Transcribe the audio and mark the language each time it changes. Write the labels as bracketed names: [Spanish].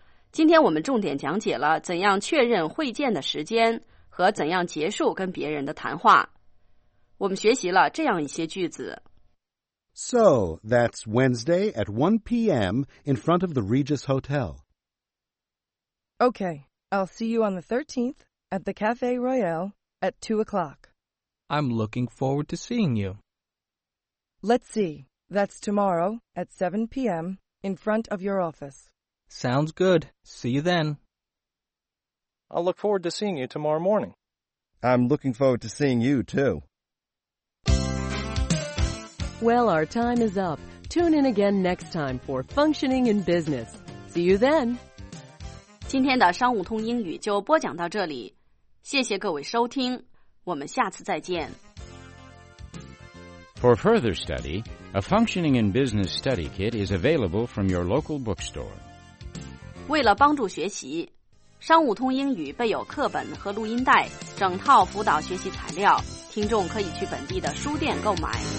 [Chinese] 今天我们重点讲解了怎样确认会见的时间和怎样结束跟别人的谈话。我们学习了这样一些句子。 [English] So, that's Wednesday at 1 p.m. in front of the Regis Hotel. Okay, I'll see you on the 13th at the Café Royal at 2 o'clock. I'm looking forward to seeing you. Let's see, that's tomorrow at 7 p.m. in front of your office. Sounds good. See you then. I'll look forward to seeing you tomorrow morning. I'm looking forward to seeing you, too. Well, our time is up. Tune in again next time for Functioning in Business. See you then. [Chinese] 今天的商务通英语就播讲到这里。谢谢各位收听。我们下次再见。 [English] For further study, a Functioning in Business study kit is available from your local bookstore. [Chinese] 为了帮助学习，商务通英语备有课本和录音带，整套辅导学习材料，听众可以去本地的书店购买。